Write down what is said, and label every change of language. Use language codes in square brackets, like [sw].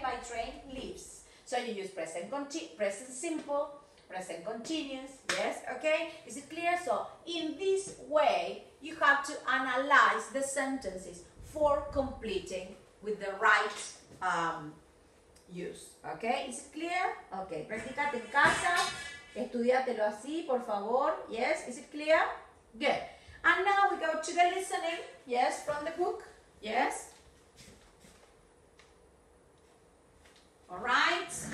[en] My train leaves. So you use present simple, present continuous. Yes, okay? Is it clear? So in this way, you have to analyze the sentences for completing with the right use. Okay, is it clear? [es] Okay, practicate en casa, estudiatelo así, por favor. [en] Yes, is it clear? Good. And now we go to the listening, yes, from the book, yes. All right.